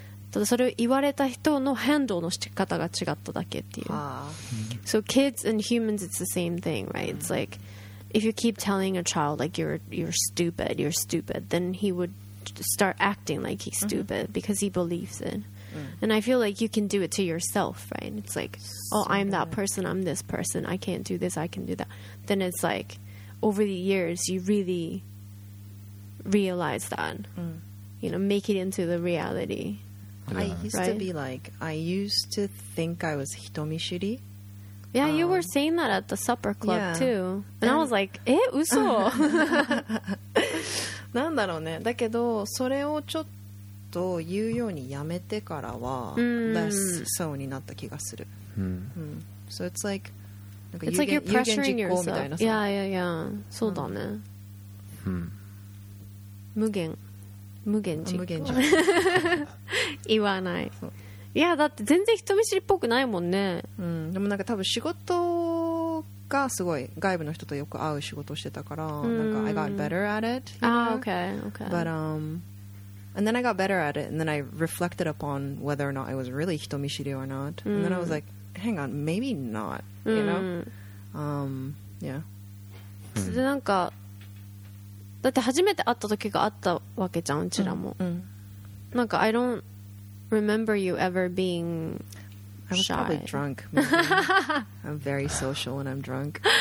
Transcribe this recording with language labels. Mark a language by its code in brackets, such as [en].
[ja] ただそれを言われた人のハンドルの仕方が違っただけっていう。 [en] So kids and humans, it's the same thing, right? It's like if you keep telling a child like you're stupid, then he would start acting like he's stupid because he believes it. And I feel like you can do it to yourself, right? It's like, oh, I'm that person, I'm this person, I can't do this, I can do that. Then it's like, over the years, you really realize that, you know, make it into the reality. Yeah. I used to be like, I used to think I was hitomishiri. Yeah, you were saying that at the supper club too. And I was like, eh, uso? [ja] なんだろうね。だけど、それをちょっと言うようにやめてからは、 [en] less so [ja] になった気がする。 [en] So it's like, it's like you're pressuring yourself. Yeah, yeah, yeah. [ja] そうだね。無限。無限実行。言わない。いやだって全然人見知りっぽくないもんね。でもなんか多分仕事がすごい外部の人とよく会う仕事をしてたから、なんか [en] I got better at it. Ah, okay, okay. But and then I got better at it, and then I reflected upon whether or not I was really 人見知りor not. And then I was like, hang on, maybe not. You know? [ja] Yeah. なんかだって初めて会った時があったわけじゃん、うちらも。なんか [en] I don't remember you ever being shy. I was probably drunk. I'm very social when I'm drunk.